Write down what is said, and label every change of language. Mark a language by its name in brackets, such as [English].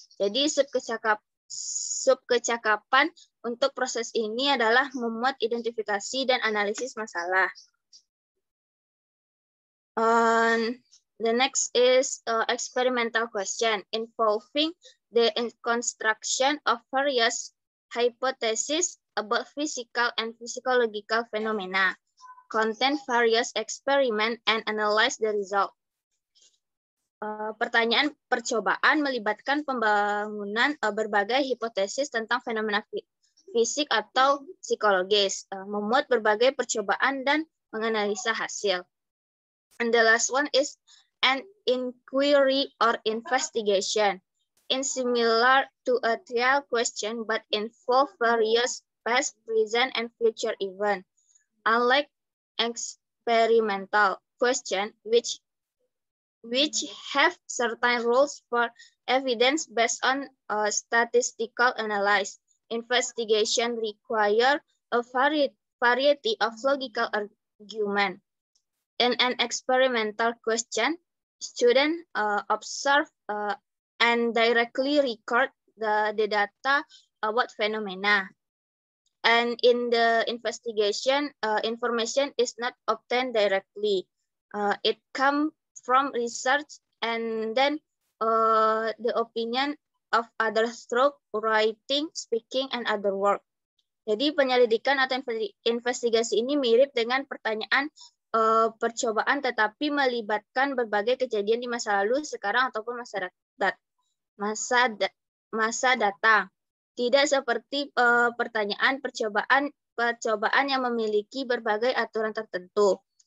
[Indonesian] Jadi sub kecakapan untuk proses ini adalah memuat identifikasi dan analisis masalah. [English] The next is experimental question involving the construction of various hypotheses about physical and physiological phenomena. Contain various experiments and analyze the result. [Indonesian] Pertanyaan percobaan melibatkan pembangunan berbagai hipotesis tentang fenomena fisik atau psikologis, memuat berbagai percobaan dan menganalisa hasil. [English] And the last one is an inquiry or investigation. In similar to a trial question, but involve various past, present, and future events. Unlike experimental question, which have certain rules for evidence based on statistical analysis, investigation require a variety of logical argument. In an experimental question, student observe and directly record the data about phenomena. And in the investigation, information is not obtained directly. It come from research and then the opinion of other stroke, writing, speaking, and other work. [Indonesian] Jadi penyelidikan atau investigasi ini mirip dengan pertanyaan percobaan tetapi melibatkan berbagai kejadian di masa lalu, sekarang, ataupun masa datang. Tidak seperti pertanyaan percobaan yang memiliki berbagai aturan tertentu.